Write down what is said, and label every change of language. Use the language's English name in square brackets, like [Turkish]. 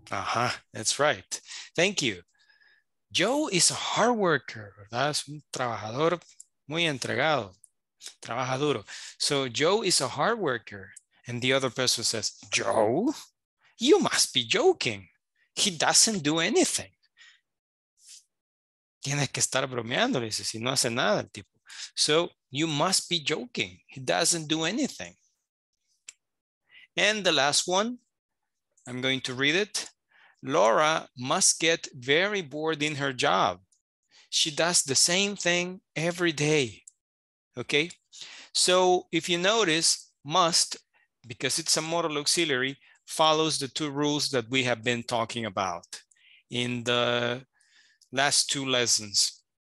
[English] Uh-huh. That's right. Thank you. Joe is a hard worker, [Spanish] ¿verdad? Es un trabajador muy entregado. Trabaja duro. [English] So Joe is a hard worker. And the other person says, Joe, you must be joking. He doesn't do anything. [Spanish] Tienes que estar bromeando, le dice, si no hace nada el tipo. [English] So you must be joking. He doesn't do anything. And the last one, I'm going to read it. Laura must get very bored in her job. She does the same thing every day. Okay. So if you notice, must, because it's a modal auxiliary, follows the two rules that we have been talking about in the last two lessons.